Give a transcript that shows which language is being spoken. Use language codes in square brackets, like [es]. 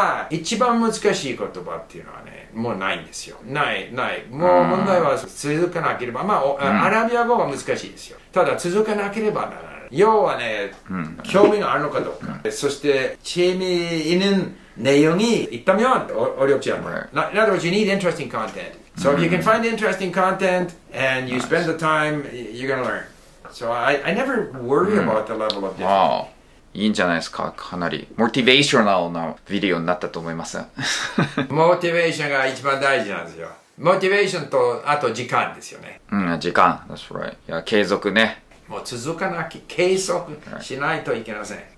[ja] 一番 難しい 言葉 っていうのはね, もうないんですよ.ない. もう問題は 続かなければ, アラビア語は 難しいですよ. ただ 続かなければ 要はね, 興味が あるのかどうか. そして [ko] 재미있는 내용이 있다면 어렵지 않아요. [en] Right. In other words, you need interesting content. So if you can find interesting content and you spend the time, you're going to learn. So I never worry about the level of difficulty. Wow. [ja] いいんじゃないですか? かなり motivational なvideoになったと思います。 Motivation が一番大事なんですよ。Motivation と あと時間ですよね。時間, [en] that's right. [ja] いや、 継続ね。もう続かなき、 継続しないといけません。